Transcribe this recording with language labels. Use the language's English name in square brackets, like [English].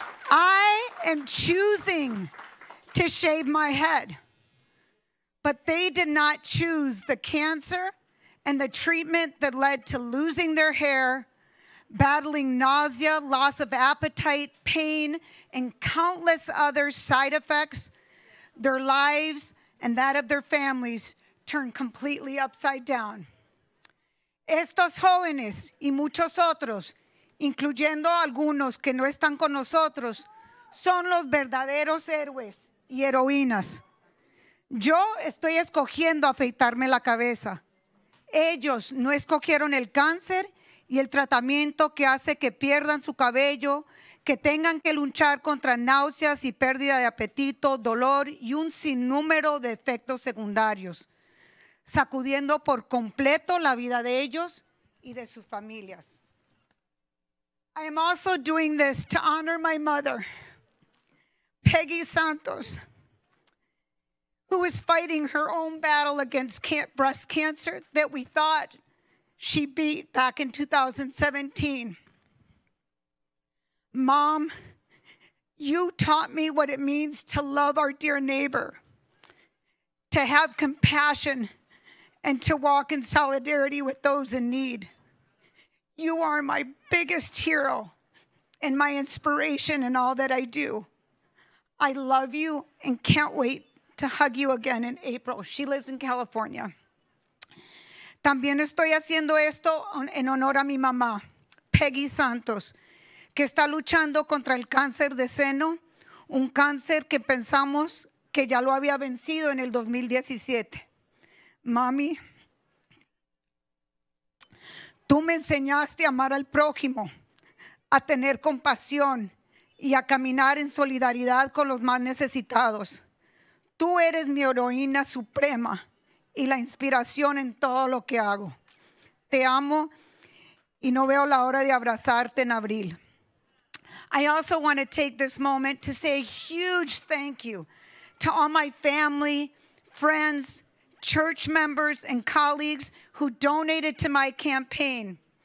[English] I am choosing to shave my head, but they did not choose the cancer and the treatment that led to losing their hair, battling nausea, loss of appetite, pain, and countless other side effects. Their lives and that of their families turned completely upside down. [Spanish] Estos jóvenes y muchos otros, incluyendo algunos que no están con nosotros, son los verdaderos héroes y heroínas. Yo estoy escogiendo afeitarme la cabeza. Ellos no escogieron el cáncer y el tratamiento que hace que pierdan su cabello, que tengan que luchar contra náuseas y pérdida de apetito, dolor y un sinnúmero de efectos secundarios, sacudiendo por completo la vida de ellos y de sus familias. [English] I am also doing this to honor my mother, Peggy Santos, who is fighting her own battle against breast cancer that we thought she beat back in 2017. Mom, you taught me what it means to love our dear neighbor, to have compassion, and to walk in solidarity with those in need. You are my biggest hero and my inspiration in all that I do. I love you and can't wait to hug you again in April. She lives in California. [Spanish] También estoy haciendo esto en honor a mi mamá, Peggy Santos, que está luchando contra el cáncer de seno, un cáncer que pensamos que ya lo había vencido en el 2017. Mami, Tú me enseñaste a amar al prójimo, a tener compasión y a caminar en solidaridad con los más necesitados. Tú eres mi heroína suprema y la inspiración en todo lo que hago. Te amo y no veo la hora de abrazarte en abril. [English] I also want to take this moment to say a huge thank you to all my family, friends, church members, and colleagues who donated to my campaign.